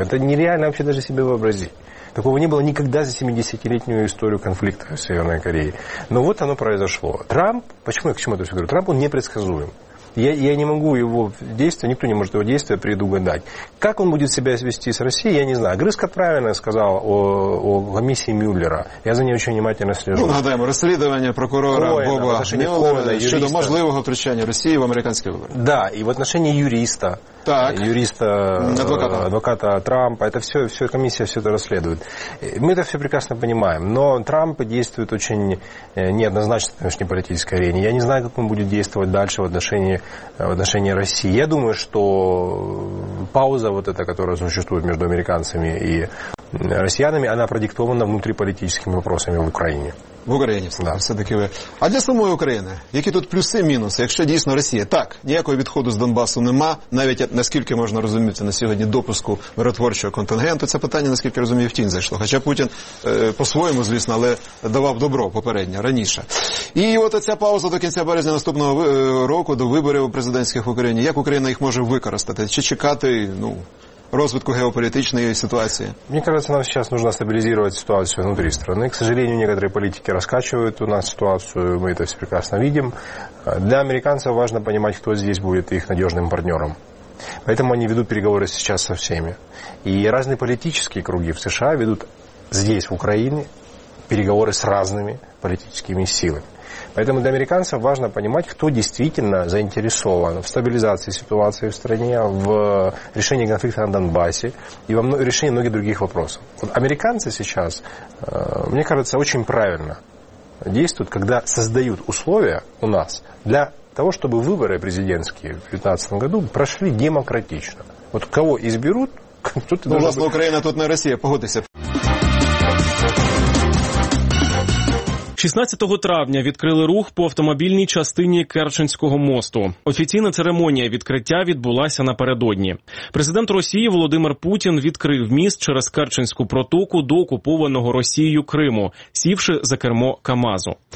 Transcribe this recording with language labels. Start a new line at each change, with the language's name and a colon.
Russian: Это нереально вообще даже себе вообразить. Такого не было никогда за 70-летнюю историю конфликта в Северной Корее. Но вот оно произошло. Трамп, почему я к чему это все говорю? Трамп, он непредсказуем. Я не могу его действия, никто не может его действия предугадать. Как он будет себя вести с Россией, я не знаю. Огрызко правильно сказал о комиссии Мюллера. Я за ней очень внимательно слежу.
Ukrainian: Ну, нагадаем,
Russian: расследование прокурора Боба Мюллера
Ukrainian: щодо можливого втручання Росії в американські вибори.
Russian: Да, и в отношении юриста. Так. Юриста, адвоката Трампа. Это все комиссия все это расследует. Мы это все прекрасно понимаем. Но Трамп действует очень неоднозначно на внешнеполитической арене. Я не знаю, как он будет действовать дальше в отношении России. Я думаю, что пауза вот эта, которая существует между американцами и россиянами, она продиктована внутриполитическими вопросами в Украине.
Ukrainian: В Україні все-таки ви. А для самої України, які тут плюси, мінуси, якщо дійсно Росія? Так, ніякого відходу з Донбасу нема, навіть, наскільки можна розуміти, на сьогодні допуску миротворчого контингенту. Це питання, наскільки розумію, в тінь зайшло. Хоча Путін по-своєму, звісно, але давав добро попереднє, раніше. І от ця пауза до кінця березня наступного року, до виборів президентських в Україні. Як Україна їх може використати? Чи чекати, Розвитку
Russian: геополитической ситуации. Мне кажется, нам сейчас нужно стабилизировать ситуацию внутри страны. К сожалению, некоторые политики раскачивают у нас ситуацию, мы это все прекрасно видим. Для американцев важно понимать, кто здесь будет их надежным партнером. Поэтому они ведут переговоры сейчас со всеми. И разные политические круги в США ведут здесь, в Украине, переговоры с разными политическими силами. Поэтому для американцев важно понимать, кто действительно заинтересован в стабилизации ситуации в стране, в решении конфликта на Донбассе и в решении многих других вопросов. Вот американцы сейчас, мне кажется, очень правильно действуют, когда создают условия у нас для того, чтобы выборы президентские в 2015 году прошли демократично. Вот кого изберут, тут... Ну, у вас на Украине, тут на Россию, погодись.
Ukrainian: 16 травня відкрили рух по автомобільній частині Керченського мосту. Офіційна церемонія відкриття відбулася напередодні. Президент Росії Володимир Путін відкрив міст через Керченську протоку до окупованого Росією Криму, сівши за кермо КАМАЗу.